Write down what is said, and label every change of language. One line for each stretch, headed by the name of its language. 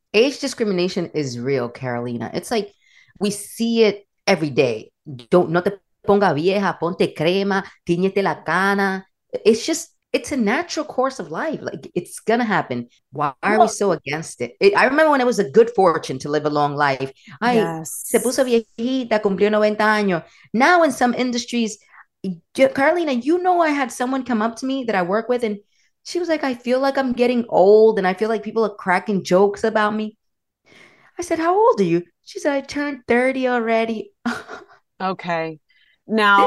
English: Age discrimination is real, Carolina. It's like, we see it every day. Don't,
Spanish: no te ponga vieja, ponte crema, tiñete la cana.
English: It's just, it's a natural course of life. Like, it's going to happen. Why are we so against it? I remember when it was a good fortune to live a long life.
Spanish: Se puso viejita, cumplió 90 años.
English: Now in some industries, Carolina, you know, I had someone come up to me that I work with and she was like, I feel like I'm getting old and I feel like people are cracking jokes about me. I said, how old are you? She said, I turned 30 already. Okay. Now,